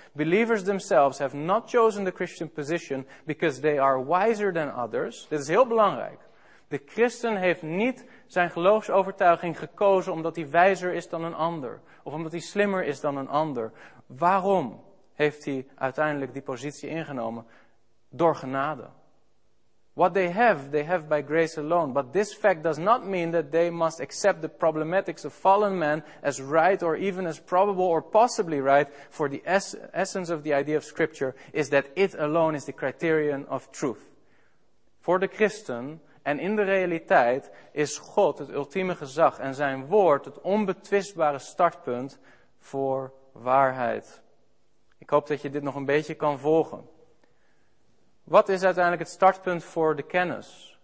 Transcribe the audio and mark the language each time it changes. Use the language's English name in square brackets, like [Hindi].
[English] Believers themselves have not chosen the Christian position because they are wiser than others. [Dutch] Dit is heel belangrijk. De christen heeft niet zijn geloofsovertuiging gekozen omdat hij wijzer is dan een ander. Of omdat hij slimmer is dan een ander. Waarom heeft hij uiteindelijk die positie ingenomen? Door genade. [English] What they have by grace alone. But this fact does not mean that they must accept the problematics of fallen men as right or even as probable or possibly right. For the essence of the idea of Scripture is that it alone is the criterion of truth. [Dutch] Voor de christen en in de realiteit is God het ultieme gezag en zijn woord het onbetwistbare startpunt voor waarheid. Ik hoop dat je dit nog een beetje kan volgen. Wat is uiteindelijk het startpunt voor de kennis?